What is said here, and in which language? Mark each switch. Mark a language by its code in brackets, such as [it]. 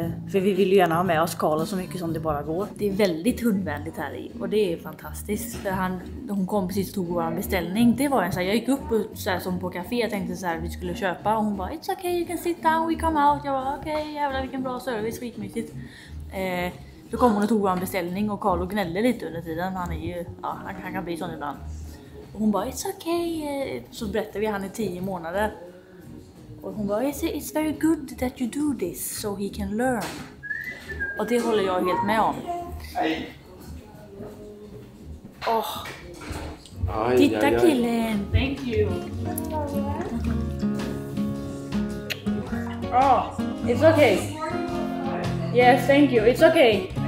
[sv] För vi vill ju gärna ha med oss Carlo så mycket som det bara går. Det är väldigt hundvänligt här i, och det är fantastiskt. För han, hon kom precis och tog vår beställning. Det var en så här, jag gick upp och så här, som på café, jag tänkte så här, vi skulle köpa. Och hon bara, [en] it's okay, you can sit down, we come out. [sv] Jag var okej, okay, jävlar vilken bra service, skitmysigt. Då kom hon och tog vår beställning och Carlo gnällde lite under tiden. Han är ju, ja, han kan bli sån ibland. Och hon bara, [en] it's okay. [sv] Så berättade vi, han är 10 månader. Och hon bara, [en] it's very good that you do this, so he can learn. [sv] Och det håller jag helt med om. Hej. Åh. Titta killen. [en] Thank you. Oh, it's okay. Yes, thank you, it's okay.